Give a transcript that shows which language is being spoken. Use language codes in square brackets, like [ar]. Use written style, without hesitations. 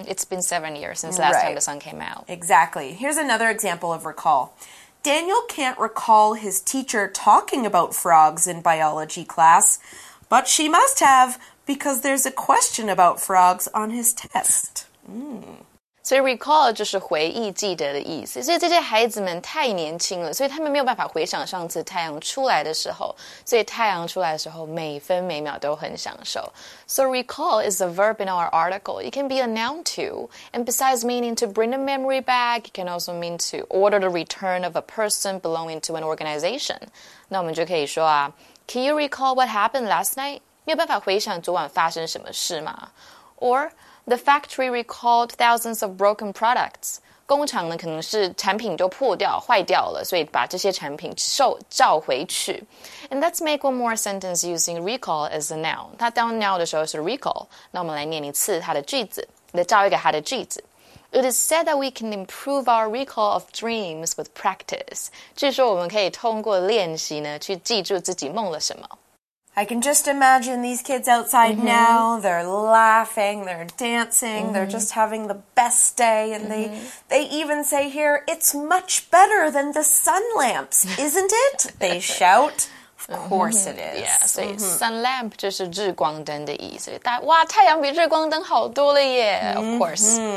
[en] It's been 7 years since the last time the sun came out. Exactly. Here's another example of recall. Daniel can't recall his teacher talking about frogs in biology class, but she must have, because there's a question about frogs on his test. [zh] So recall 就是回忆记得的意思，所以这些孩子们太年轻了，所以他们没有办法回想上次太阳出来的时候，所以太阳出来的时候每分每秒都很享受。 [en] So recall is a verb in our article. It can be a noun too. And besides meaning to bring a memory back, it can also mean to order the return of a person belonging to an organization. [zh] 那我们就可以说啊 [en] ,Can you recall what happened last night? [zh] 没有办法回想昨晚发生什么事吗？ [en] Or,The factory recalled thousands of broken products. [zh] 工厂呢，可能是产品都破掉、坏掉了，所以把这些产品召回去。 [en] And let's make one more sentence using recall as a noun. [zh] 它当 noun 的时候是 recall. 那我们来念一次它的句子，来造一个它的句子。 [en] It is said that we can improve our recall of dreams with practice. [zh] 据说我们可以通过练习呢，去记住自己梦了什么。 [en] I can just imagine these kids outside now. They're laughing, they're dancing, they're just having the best day. And they even say here, it's much better than the sun lamps, isn't it? They shout. Of course it is. Yeah, so sun lamp [zh] 就是日光灯的意思。哇，太阳比日光灯好多了耶。 [en] Of course.